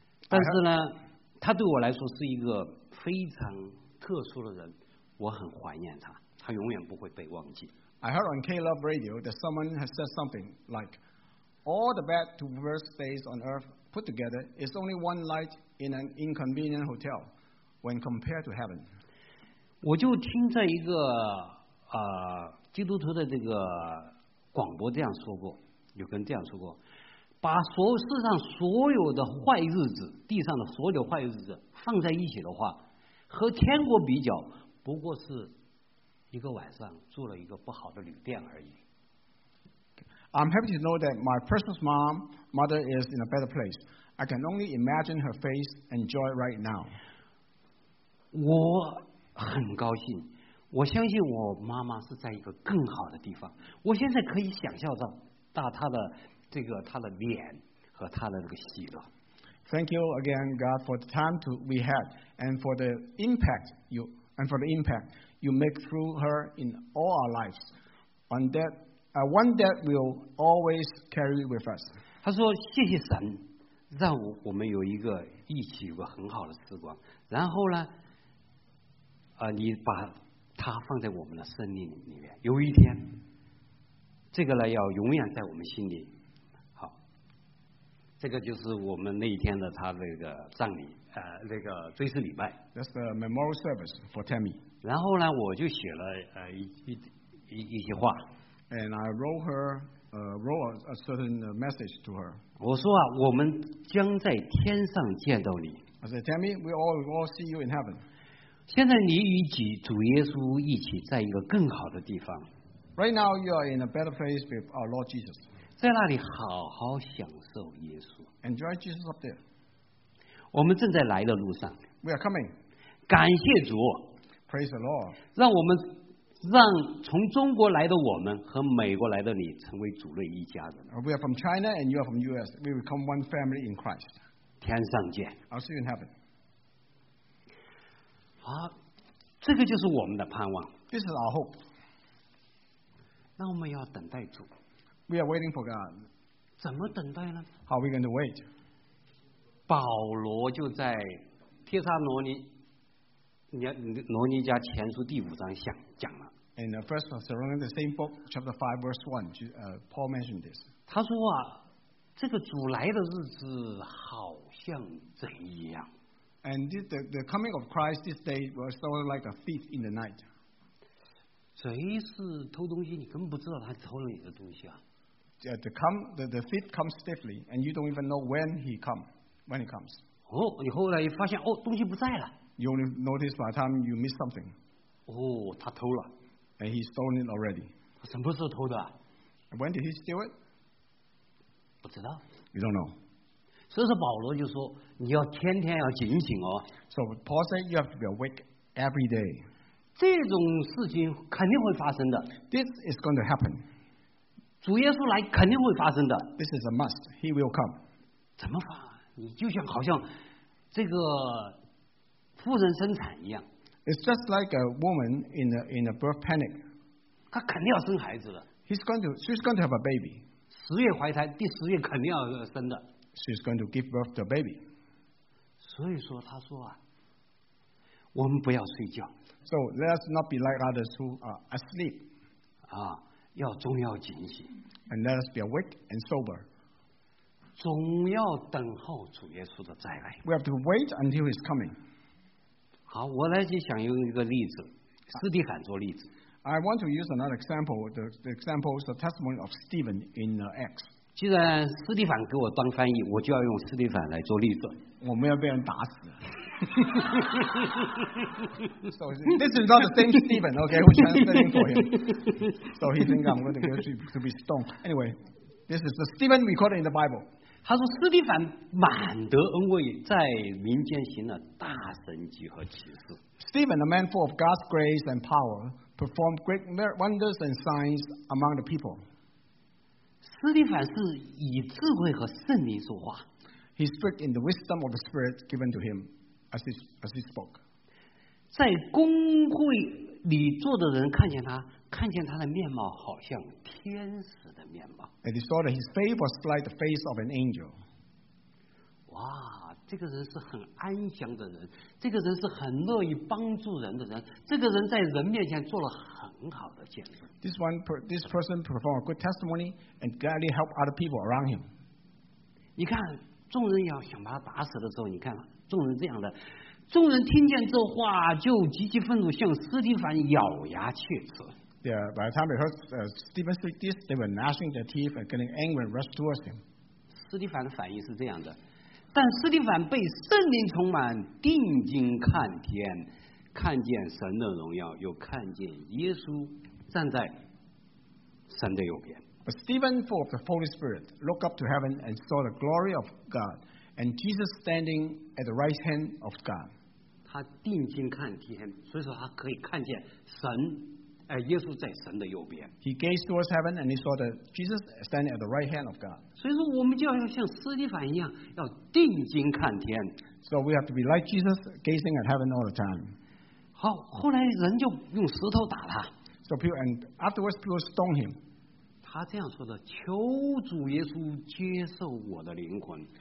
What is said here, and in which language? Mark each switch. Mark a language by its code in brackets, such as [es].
[zh] 但是呢，他对我来说是一个非常特殊的人，我很怀念他，他永远不会被忘记。 [en] I heard on K-Love Radio that someone has said something like, "All the bad to worst days on earth put together is only one light in an inconvenient hotel." When compared to heaven, [zh] 我就听在一个基督徒的这个广播这样说过，有个人这样说过，把世上所有的坏日子，地上的所有的坏日子放在一起的话，和天国比较，不过是一个晚上住了一个不好的旅店而已。 [en] I'm happy to know that my precious mother is in a better place. I can only imagine her face and joy right now. [zh] 我很高兴，我相信我妈妈是在一个更好的地方。我现在可以想象到她的这个她的脸和她的这个喜乐。 [en] Thank you again, God, for the time we had and for the impact you make through her in all our lives. One that will always carry with us. [zh] 他说：“谢谢神，让我们有一个一起有个很好的时光。然后呢？” 你把它放在我们的生命里面，有一天，这个呢要永远在我们心里。好，这个就是我们那一天的他那个葬礼，那个追思礼拜。 [en] That's the memorial service for Tammy. [zh] 然后呢，我就写了一些话。 [en] And I wrote a certain message to her. [zh] 我说啊，我们将在天上见到你。 [en] I said, Tammy, we all see you in heaven. [zh] 现在你与主耶稣一起在一个更好的地方。 [en] Right now you are in a better place with our Lord Jesus. [zh] 在那里好好享受耶稣。 [en] Enjoy Jesus up there. [zh] 我们正在来的路上。 [en] We are coming. [zh] 感谢主。 [en] Praise the Lord. [zh] 让从中国来的我们和美国来的你成为主内一家人。 [en] We are from China and you are from US. We become one family in Christ. [zh] 天上见。 [en] I'll see you in heaven. [zh] 好，这个就是我们的盼望。 [en] This is our hope. [zh] 那我们要等待主。 [en] We are waiting for God. [zh] 怎么等待呢？ [en] How are we going to wait? [zh] 保罗就在帖撒罗尼罗尼加前书第五章讲了。 [en] In the first of the Roman, the same book, chapter 5, verse 1, Paul mentioned this. [zh] 他说啊，这个主来的日子好像贼一样。 [en] And the coming of Christ this day was sort of like a thief in the night. [zh] 贼是偷东西，你根本不知道他偷了你的东西啊。 [en] The thief comes stiffly, and you don't even know when he comes. [zh] 哦，你后来发现哦，东西不在了。 [en] You only notice by the time you miss something. [zh] Oh, 他偷了。 [en] And he's stolen it already. [zh] 他什么时候偷的？ [en] When did he steal it? [zh] 不知道。 [en] You don't know. [zh] 所以说保罗就说，你要天天要警醒哦。 [en] So Paul said you have to be awake every day. [zh] 这种事情肯定会发生的。 [en] This is going to happen. [zh] 主耶稣来肯定会发生的。 [en] This is a must. He will come. [zh] 怎么发？你就像好像这个妇人生产一样。 [en] It's just like a woman in a birth panic. [zh] 她肯定要生孩子的。 [en] She's going to have a baby. [zh] 十月怀胎，第十月肯定要生的。 [en] She's going to give birth to a baby. [zh] 所以说，她说啊，我们不要睡觉。 [en] So let us not be like others who are asleep. [zh] 啊，要总要警醒。 [en] And let us be awake and sober. [zh] 总要等候主耶稣的再来。 [en] We have to wait until his coming. [zh] 好，我来就想用一个例子，斯蒂凡做例子。 [en] I want to use another example. The example is the testimony of Stephen in Acts. [zh] 既然斯蒂凡给我当翻译，我就要用斯蒂凡来做例子。我们要被人打死。 [en] So this is not the same Stephen, okay? We're translating for him. So he thinks I'm going to be stoned. Anyway, this is the Stephen recorded in the Bible. [zh] 他说斯蒂凡满得恩惠，在民间行了大神迹和奇事。 [en] Stephen, a man full of God's grace and power, performed great wonders and signs among the people. [zh] 斯蒂凡是以智慧和圣灵说话。 [en] He spoke in the wisdom of the Spirit given to him as he spoke. [zh] 在公会里坐的人看见他，看见他的面貌好像天使的面貌。 [en] And he saw that his face was like the face of an angel. [zh] 哇，这个人是很安详的人，这个人是很乐意帮助人的人，这个人在人面前做了很好的见证。 [en] This person performed a good testimony and gladly helped other people around him. [zh] 你看，众人要想把他打死的时候，你看众人这样的，众人听见这话就极其愤怒，向斯蒂凡咬牙切齿。 [en] Yeah, by the time they heard Stephen speak this, they were gnashing their teeth and getting angry and rushed towards him. [zh] 斯蒂凡的反应是这样的，但斯蒂凡被圣灵充满，定睛看天，看见神的荣耀，又看见耶稣站在神的右边。 [en] But Stephen, full of the Holy Spirit, looked up to heaven and saw the glory of God and Jesus standing at the right hand of God. [zh] 他定睛看天，所以说他可以看见神。耶稣在神的右边。 [en] He gazed towards heaven and he saw that Jesus standing at the right hand of God. [zh] 所以说我们就要像斯蒂凡一样，要定睛看天。 [en] So we have to be like Jesus, gazing at heaven all the time. [zh] 好，后来人就用石头打他。 [en] So people and afterwards people stoned him. [zh] 他这样说的：求主耶稣接受我的灵魂。